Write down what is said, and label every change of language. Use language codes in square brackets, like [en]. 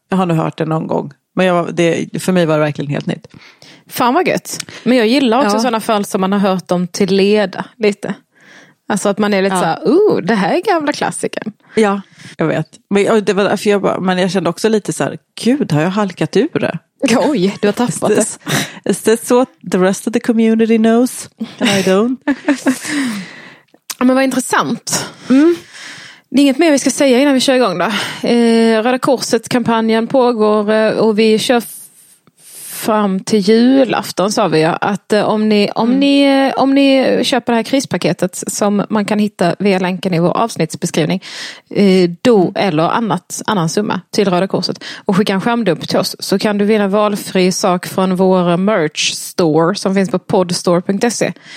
[sv] Jag har nu hört det någon gång. Men för mig var det verkligen helt nytt. Fan vad gött. Men jag gillar också sådana fall som man har hört om till leda lite. Alltså att man är lite såhär, det här är gamla klassiken. Ja, jag vet. Men jag kände också lite så här, gud, har jag halkat ur det? Oj, du har tappat det. [en] Is this what the rest of the community knows? I don't. [sv] Men vad intressant. Mm. Det är inget mer vi ska säga innan vi kör igång då. Röda Korset-kampanjen pågår och vi kör fram till julafton, sa vi. Att om ni köper det här krispaketet som man kan hitta via länken i vår avsnittsbeskrivning, då eller annan summa till Röda Korset, och skicka en skärmdump till oss, så kan du vinna valfri sak från vår merch store som finns på podstore.se.